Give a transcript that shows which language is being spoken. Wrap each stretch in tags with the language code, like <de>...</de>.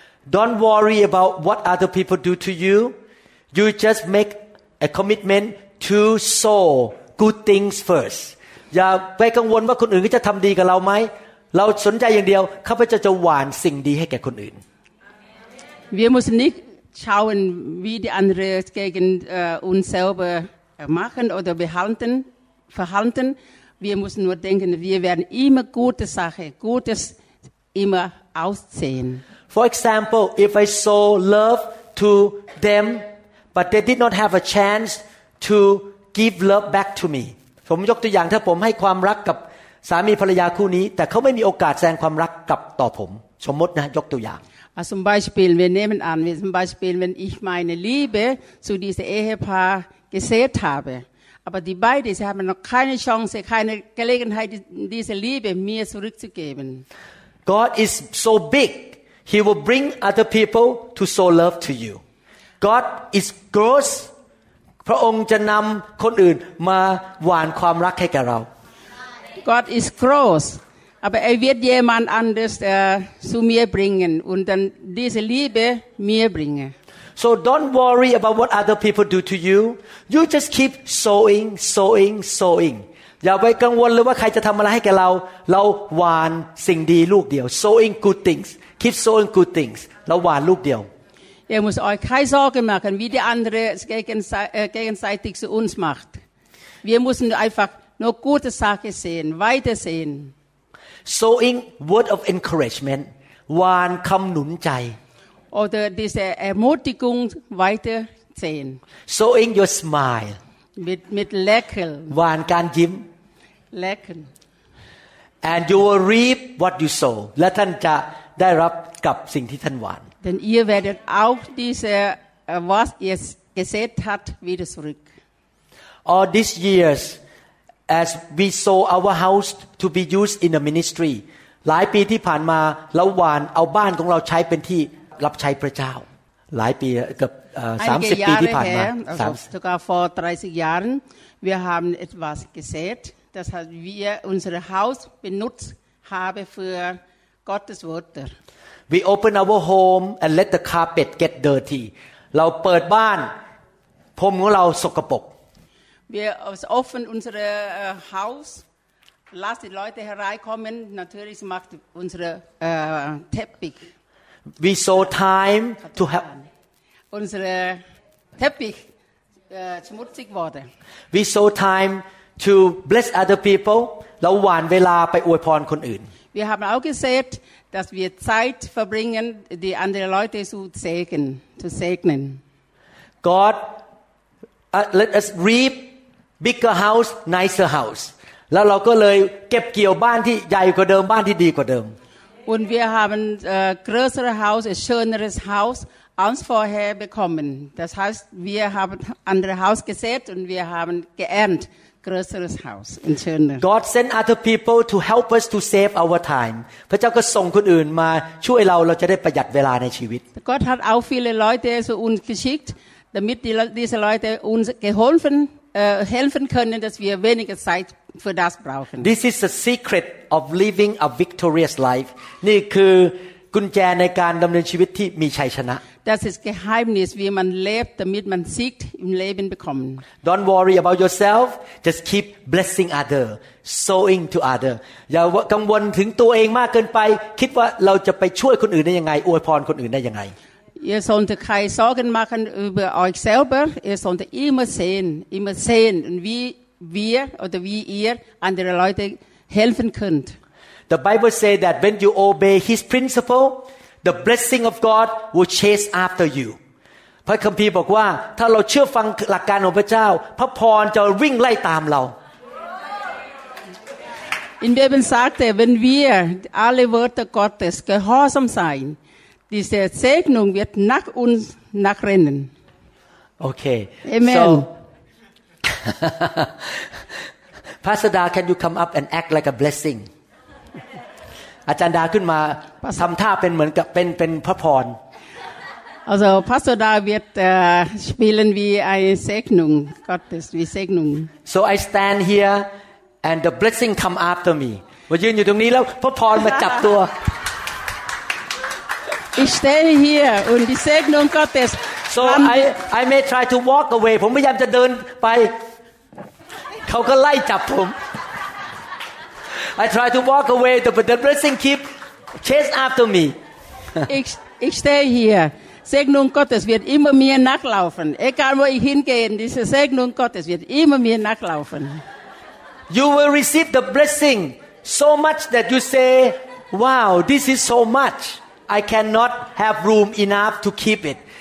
<en>Don't worry about what other people do to you. You just make a commitment to sow good things first.</en> <th>อย่าไปกังวลว่าคนอื่นจะทำดีกับเราไหมเราสนใจอย่างเดียวข้าพเจ้าจะหว่านสิ่งดีให้แก่คนอื่น</th> <de>Wir müssen nicht schauen, wie die andere gegen uns selber machen oder verhalten. Wir müssen nur denken, wir werden immer gute Sache, Gutes immer aussehen.</de> <en>For example, if I sow love to them, but they did not have a chance to give love back to me.</en> <th>ผมยกตัวอย่างถ้าผมให้ความรักกับสามีภรรยาคู่นี้แต่เขาไม่มีโอกาสแสดงความรักกลับต่อผมสมมตินะยกตัวอย่าง</th> <de>Zum Beispiel, wir nehmen an, zum Beispiel, wenn ich meine Liebe zu diesem Ehepaar gesät habe, aber die beiden haben noch keine Chance, keine Gelegenheit, diese Liebe mir zurückzugeben.</de> <en>God is so big. He will bring other people to sow love to you.</en> <de>God is gross.</de> <th>พระองค์จะนำคนอื่นมาหว่านความรักให้กับเรา</th> <de>God is gross. Aber wird jemand anders zu mir bringen und dann diese Liebe mir bringen.</de> <en>So don't worry about what other people do to you. You just keep sowing.</en> <th>อย่าไปกังวลเลยว่าใครจะทำอะไรให้แกเราเราหว่านสิ่งดีลูกเดียว</th> <en>sowing good things keep sowing good things</en> <th>เราหว่านลูกเดียว</th> <de>Ihr müsst euch keine Sorgen machen wie die andere gegenseitig zu uns macht Wir müssen einfach nur gute Sachen sehen weiter sehen</de> <en>sowing word of encouragement</en> <th>หว่านคำหนุนใจ</th> <de>oder diese Ermutigung weiter 10</de> <en>Showing your smile</en> <de>mit Lächeln</de> <th>หวานการยิ้ม</th> <de>Lächeln</de> <en>And you will reap what you sow</en> <th>และท่านจะได้รับกับสิ่งที่ท่านหวาน</th> <de>Then ihr werdet auch diese was ihr gesät habt wieder zurück</de> <en>All these years as we sow our house to be used in the ministry</en> <th>หลายปีที่ผ่านมาเราหวานเอาบ้านของเราใช้เป็นที่รับใช้พระเจ้าหลายปีกับ30ปีที่ผ่านมา</th> <de>sogar vor 30 Jahren wir haben etwas gesät das hat wir unser Haus benutzt habe für Gottes Wort</de> <en>we open our home and let the carpet get dirty</en> <th>เราเปิดบ้านพรมของเราสกปรก</th> <de>wir open unser Hauslass die Leute hereinkommen natürlich macht unsere Teppich</de> <en>we sow time to have</en> <de>unsere Teppich schmutzig wurde</de> <en>we sow time to bless other people</en> <th>แล้วหว่านเวลาไปอวยพรคนอื่น</th> <de>wir haben auch gesagt dass wir Zeit verbringen die andere Leute zu segnen</de> <en>God let us reap bigger house nicer house</en> <th>แล้วเราก็เลยเก็บเกี่ยวบ้านที่ใหญ่กว่าเดิมบ้านที่ดีกว่าเดิม</th> <de>Und wir haben größere Haus, ein schöneres Haus als vorher bekommen. Das heißt, wir haben andere Haus gesät und wir haben geerntet größeres Haus und schöner.</de> <en>God sent other people to help us to save our time.</en> <th>พระเจ้าก็ส่งคนอื่นมาช่วยเราจะได้ประหยัดเวลาในชีวิต</th> <de>Gott hat auch viele Leute zu uns geschickt, damit diese Leute uns geholfenhelfen können, dass wir weniger Zeit für das brauchen.</de> <en>This is the secret of living a victorious life.</en> <th>นี่คือกุญแจในการดำเนินชีวิตที่มีชัยชนะ</th> <de>Das ist Geheimnis, wie man lebt, damit man siegt im Leben bekommen.</de> <en>Don't worry about yourself. Just keep blessing other, sowing to other.</en> <th>อย่ากังวลถึงตัวเองมากเกินไปคิดว่าเราจะไปช่วยคนอื่นได้ยังไงอวยพรคนอื่นได้ยังไง</th> <de>Ir solltet keine Sorgen machen über euch selber. Ihr solltet immer sehen, wie ihr andere Leute helfen könnt.</de> <en>The Bible says that when you obey His principle, the blessing of God will chase after you.</en> <th>พระคัมภีร์บอกว่าถ้าเราเชื่อฟังหลักการของพระเจ้าพระพรจะวิ่งไล่ตามเรา</th> <de>In der Bibel sagt er, wenn wir alle Wörter Gottes gehorsam seinDiese Segnung wird nach uns nachrennen.</de> <en>Okay. Amen. So, Pastor Da, can you come up and act like a blessing? Pastor Da, come up and act like a blessing. Pastor Da, come up and act like a blessing.</en> <de>Also, Pastor Da wird spielen wie eine Segnung. Gottes, wie Segnung. So, I stand here and the blessing come after me. Wir stehen hier und der Blessing kommt auf mich. Ich stehe hier und die Segnung Gottes.</de> <en>So I may try to walk away.</en> <th>ผมพยายามจะเดินไปเขาก็ไล่จับผม</th> <en>I try to walk away, but the blessing keep chase after me.</en> <de>Ich stehe hier. Segnung Gottes wird immer mir nachlaufen. Egal wo ich hingehe, diese Segnung Gottes wird immer mir nachlaufen.</de> <en>You will receive the blessing so much that you say, "Wow, this is so much." I cannot have room enough to keep it.</en>